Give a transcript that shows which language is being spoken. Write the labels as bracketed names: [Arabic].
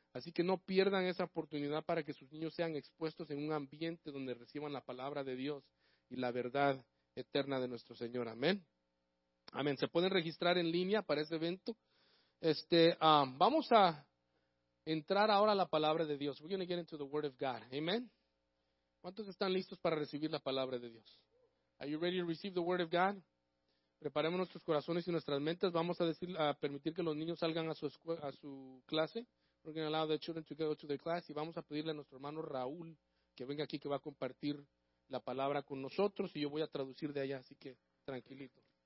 [Spanish] Así que no pierdan esa oportunidad para que sus niños sean expuestos en un ambiente donde reciban la palabra de Dios y la verdad eterna de nuestro Señor. Amén. Amén. Se pueden registrar en línea para ese evento. Vamos a entrar ahora a la palabra de Dios. [English] We're going to get into the Word of God. [Spanish] Amén. ¿Cuántos están listos para recibir la palabra de Dios? [English] Are you ready to receive the Word of God? [Spanish] Preparemos nuestros corazones y nuestras mentes. Vamos a permitir que los niños salgan a su clase. [English] We're going to allow the children to go to their class. [Spanish] Y vamos a pedirle a nuestro hermano Raúl que venga aquí, que va a compartir la palabra con nosotros. Y yo voy a traducir de allá, así que tranquilito.